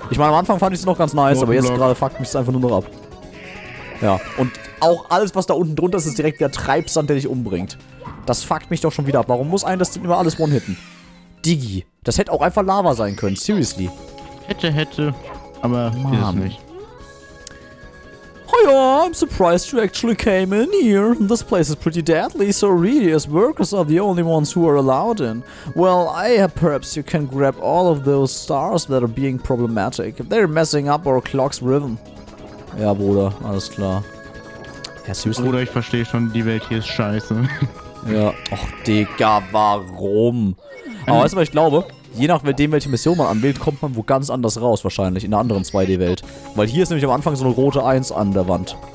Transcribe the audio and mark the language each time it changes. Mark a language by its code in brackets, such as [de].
[de] Ich meine, am Anfang fand ich es noch ganz nice, aber jetzt gerade fuckt mich es einfach nur noch ab. Ja, und auch alles, was da unten drunter ist, ist direkt der Treibsand, der dich umbringt. Das fuckt mich doch schon wieder ab. Warum muss einen das denn immer alles one-hitten? Digi, das hätte auch einfach Lava sein können, seriously. Hätte, aber Mann. Ist es nicht. [en] Oh yeah, I'm surprised you actually came in here. This place is pretty deadly, so really, as workers are the only ones who are allowed in. Well, I perhaps you can grab all of those stars that are being problematic. They're messing up our clock's rhythm. [de] Ja, Bruder, alles klar. Ja, seriously? Bruder, ich verstehe schon, die Welt hier ist scheiße. Ja. Och, Digga, warum? Aber weißt du, was ich glaube? Je nachdem, welche Mission man anwählt, kommt man wo ganz anders raus wahrscheinlich, in einer anderen 2D-Welt. Weil hier ist nämlich am Anfang so eine rote 1 an der Wand.